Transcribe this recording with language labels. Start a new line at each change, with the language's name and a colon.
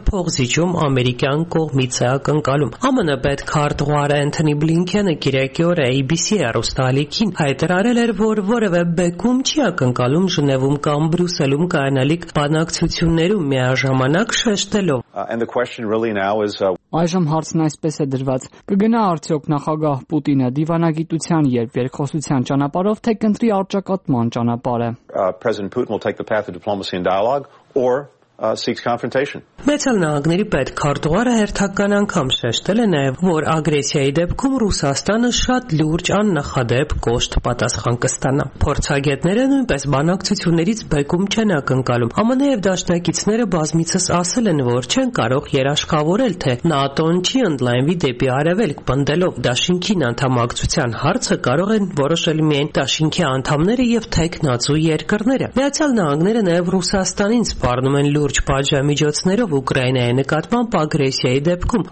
Armenian: փողզիջում ամերիկյան կողմից է ակնկալում։ ԱՄՆ պետքարտուղարը Էնթոնի Բլինքենը կիրակի օրը ABC-ի հեռուստալիքին հայտարարել էր, որ որևէ բեկում չի ակնկալում Ժնևում կամ Բրյուսելում կայանալիք բանակցություններում, միաժամանակ շեշտելով. Այժմ հարցն այսպես է դրված. Կգնա արդյոք նախագահ Պուտինը դիվանագիտության երբ երկխոսության ճանապարհով, թե կընտրի արճակատման ճանապարհը?
English: President Putin will take the path of diplomacy and dialogue or seeks confrontation.
Armenian: Մեծ նահանգների պետքարտուղարը հերթական անգամ շեշտել է նաև, որ ագրեսիայի դեպքում Ռուսաստանը շատ լուրջ աննախադեպ կոշտ պատասխան կստանա։ Փորձագետները նույնպես բանակցություններից բեկում չեն ակնկալում։ ԱՄՆ և դաշնակիցները բազմիցս ասել են, որ չեն կարող երաշխավորել, թե ՆԱՏՕ-ն չի ընդլայնվի դեպի արևելք, պնդելով Դաշինքին անդամակցության հարցը կարող են որոշել միայն Դաշինքի անդամները և թեկնածու երկրները։ Միացյալ Նահանգները նաև Ռուսաստանին սպառնում են լուրջ պատժամիջոցներ Ուկրաինայի նկատմամբ ագրեսիայի դեպքում,